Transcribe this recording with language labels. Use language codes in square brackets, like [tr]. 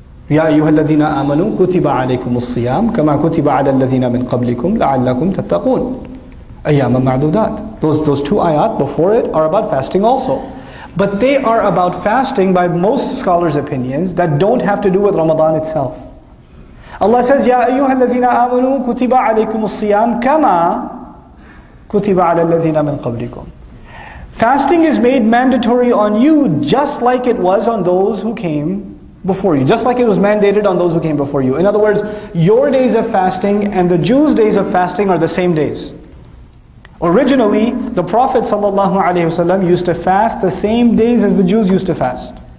[ar] يَا أَيُّهَا الَّذِينَ آمَنُوا كُتِبَ عَلَيْكُمُ الصِّيَامُ كَمَا كُتِبَ عَلَى الَّذِينَ مِنْ قَبْلِكُمْ لَعَلَّكُمْ تَتَّقُونَ أَيَّامًا مَعْدُودَاتٍ. [en] Those two ayat before it are about fasting also. But they are about fasting, by most scholars' opinions, that don't have to do with Ramadan itself. Allah says, [ar] يَا أَيُّهَا الَّذِينَ آمَنُوا كُتِبَ عَلَيْكُمُ الصِّيَامُ كَمَا كُتِبَ عَلَى الَّذِينَ مِنْ قَبْلِكُمْ. [en] Fasting is made mandatory on you just like it was on those who came before you. Just like it was mandated on those who came before you. In other words, your days of fasting and the Jews' days of fasting are the same days. Originally, the Prophet ﷺ used to fast the same days as the Jews used to fast.